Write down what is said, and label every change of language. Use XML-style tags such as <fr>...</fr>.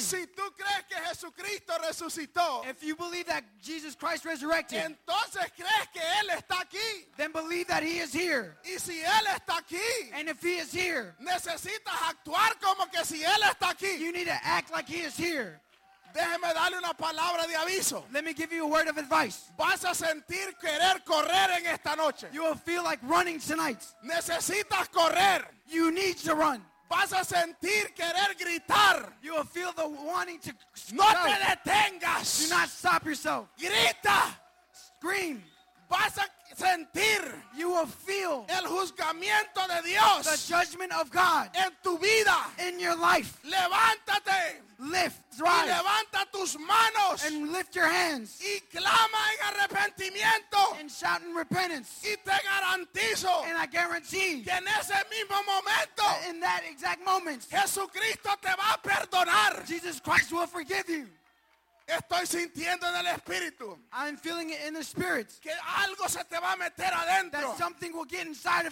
<es>Si tú crees que Jesucristo resucitó.</es> <en>If you believe that Jesus Christ resurrected.</en> <es>Entonces crees que Él está aquí.</es> <en>Then believe that He is here.</en> <es>Y si Él está aquí.</es> <en>And if He is here.</en> <es>Necesitas actuar como que si Él está aquí.</es> <en>You need to act like He is here.</en> <es>Déjeme darle una palabra de aviso.</es> <en>Let me give you a word of advice.</en> <es>Vas a sentir querer correr en esta noche.</es> <en>You will feel like running tonight.</en> <es>Necesitas correr.</es> <en>You need to run.</en> <es>Vas a sentir querer gritar.</es> <en>You will feel the wanting to scream.</en> <es>No te detengas.</es> <en>Do not stop yourself.</en> <es>Grita.</es> <en>Scream.</en> <es>Vas a sentir,</es> <en>you will feel,</en> <es>el juzgamiento de Dios,</es> <en>the judgment of God,</en> <es>en tu vida,</es> <en>in your life.</en> <es>Levántate,</es> <en>lift, rise,</en> <es>y levanta tus manos,</es> <en>and lift your hands,</en> <es>y clama en arrepentimiento,</es> <en>and shout in repentance.</en> <es>Y te garantizo,</es> <en>and I guarantee,</en> <es>que en ese mismo momento,</es> <en>in that exact moment,</en> <es>Jesucristo te va a perdonar.</es> <en>Jesus Christ will forgive you.</en> <es>Estoy sintiendo en el espíritu.</es> <en>I'm feeling it in the spirit.</en> <es>Que algo se te va a meter adentro.</es> <en>That something will get inside of</en>